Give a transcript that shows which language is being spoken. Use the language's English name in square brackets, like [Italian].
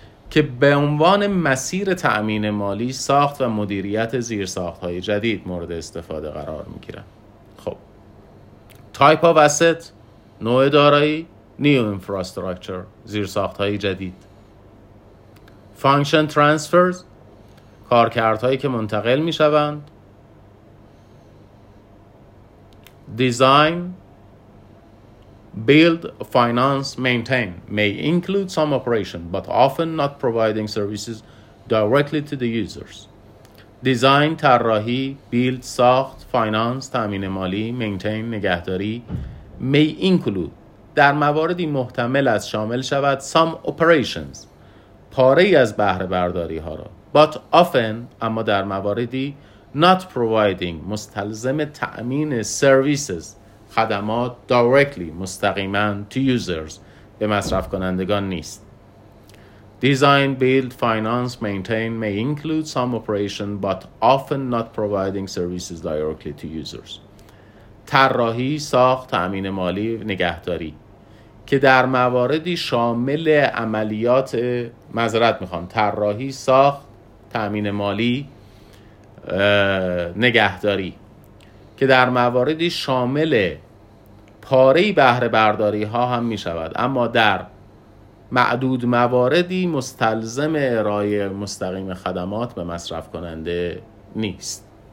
[Persian] که به عنوان مسیر تأمین مالی ساخت و مدیریت زیرساخت‌های جدید مورد استفاده قرار می‌گیرند. خب [English] type of asset, [Persian] نوع دارایی، [English] new infrastructure, [Persian] زیرساخت‌های جدید. [English] function transfers, [Persian] کارکردهایی که منتقل می‌شوند. [English] Design, build, finance, maintain may include some operation but often not providing services directly to the users. Design, [Persian] طراحی، [English] build, [Persian] ساخت، [English] finance, [Persian] تامین مالی، [English] maintain, [Persian] نگهداری [English] may include [Persian] در مواردی محتمل است شامل شود [English] some operations [Persian] پاره ای از بهره برداری ها را [English] but often [Persian] اما در مواردی [English] not providing [Persian] مستلزم تامین [English] services [Persian] خدمات [English] directly [Persian] مستقیماً [English] to users [Persian] به مصرف کنندگان نیست. [English] Design, build, finance, maintain may include some operation but often not providing services directly to users. [Persian] طراحی، ساخت، تأمین مالی، نگهداری که در مواردی شامل عملیات معذرت میخوام طراحی، ساخت، تأمین مالی، نگهداری که در مواردی شامل پاره بهره برداری ها هم می شود اما در معدود مواردی مستلزم ارائه مستقیم خدمات به مصرف کننده نیست.